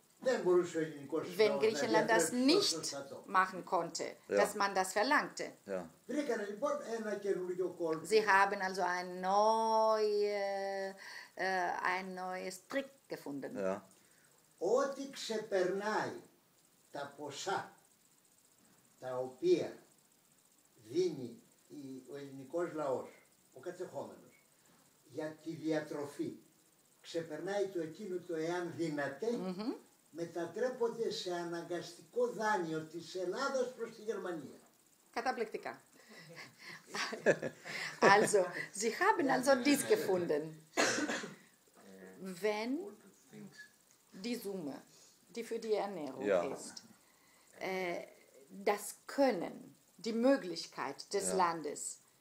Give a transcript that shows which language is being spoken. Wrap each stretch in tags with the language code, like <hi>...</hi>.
<de>Wenn Griechenland das nicht machen konnte, dass man das verlangte. Ja. Sie haben also ein neues Trick gefunden.</de> <el>Ό,τι ξεπερνάει τα ποσά τα οποία δίνει ο ελληνικός λαός, ο κατεχόμενος, για τη διατροφή, ξεπερνάει το εκείνο το εάν δυνατέ, μετατρέπονται σε αναγκαστικό δάνειο της Ελλάδας προς τη Γερμανία. Καταπληκτικά.</el> <de>Also, Sie haben also dies gefunden. Wenn die Summe, die für die Ernährung ist, das Können, die Möglichkeit des Landes</de>